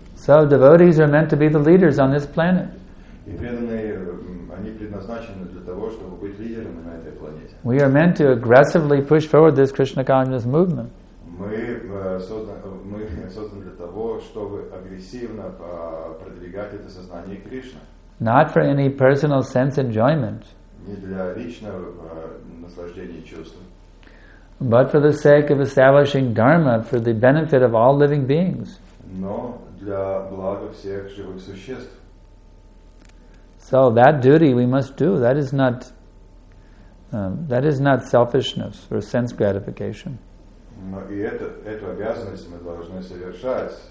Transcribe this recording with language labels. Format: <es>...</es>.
<en>So devotees are meant to be the leaders on this planet.</en> <ru>И преданные, они предназначены для того, чтобы быть лидерами на этой планете.</ru> <en>We are meant to aggressively push forward this Krishna consciousness movement.</en> <ru>Мы созданы для того, чтобы агрессивно продвигать это сознание Кришны.</ru> <en>Not for any personal sense enjoyment.</en> <ru>Не для личного наслаждения чувством.</ru> <en>But for the sake of establishing dharma for the benefit of all living beings.</en> <ru>Но для блага всех живых существ.</ru> <en>So that duty we must do. That is not selfishness or sense gratification.</en> <ru>И эту обязанность мы должны совершать.</ru>